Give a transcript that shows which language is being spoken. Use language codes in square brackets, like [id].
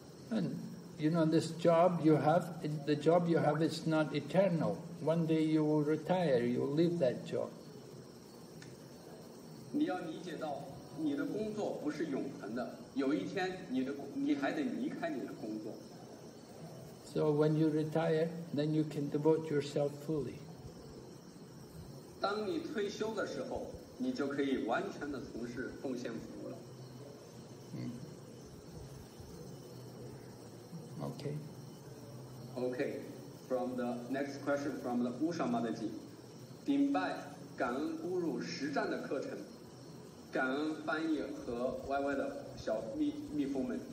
[en] And you know this job you have, the job you have is not eternal. One day you will retire, you will leave that job. [zh] 你要理解到你的工作不是永恒的，有一天你还得离开你的工作。 [en] So when you retire, then you can devote yourself fully. [zh] 当你退休的时候，你就可以完全的从事奉献服务了。 [en] Okay. Okay. From the next question from the Usha Mataji, [zh] 顶拜感恩咕噜实战的课程，感恩翻译和 YY 的小蜜蜂们。